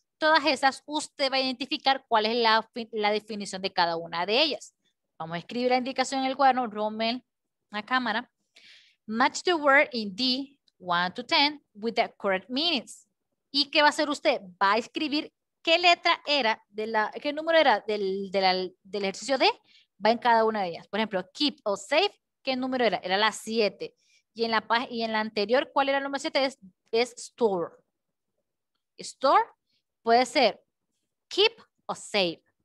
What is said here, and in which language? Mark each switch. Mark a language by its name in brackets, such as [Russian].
[Spanish] Todas esas, usted va a identificar cuál es la definición de cada una de ellas. Vamos a escribir la indicación en el cuaderno, Rommel, la cámara. [English] Match the word in D, 1 to 10, with the correct meanings. [Spanish] ¿Y qué va a hacer usted? Va a escribir qué letra era, de la, qué número era del ejercicio D, va en cada una de ellas. Por ejemplo, keep o save. ¿Qué número era? Era la 7. Y en la anterior, ¿cuál era el número 7? Es store. Store puede ser keep o save.